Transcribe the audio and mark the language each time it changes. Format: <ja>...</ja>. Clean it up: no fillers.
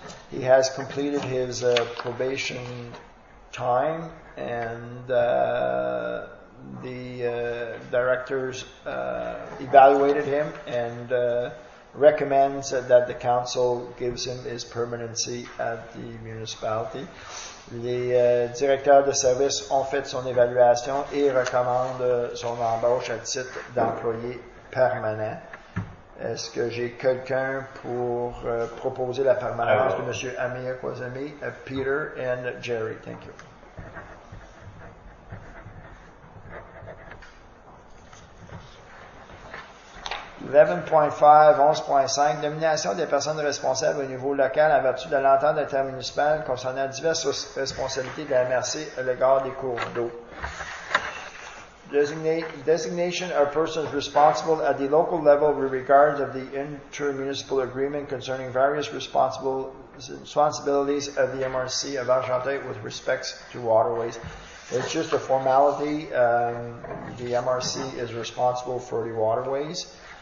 <en>He has completed his probation time and the directors evaluated him and recommends that the council gives him his permanency at the municipality.</en> <fr>Les directeurs de service ont fait son évaluation et recommandent son embauche à titre d'employé permanent. Est-ce que j'ai quelqu'un pour proposer la permanence de M. Amir Ouazami, Peter and Jerry? Thank you. Nomination des personnes responsables au niveau local en vertu de l'entente intermunicipale concernant diverses responsabilités de la MRC à l'égard des cours d'eau.</fr> <en>Designation of persons responsible at the local level with regards of the intermunicipal agreement concerning various responsibilities of the MRC of Argenteuil with respects to waterways. It's just a formality. The MRC is responsible for the waterways.</en>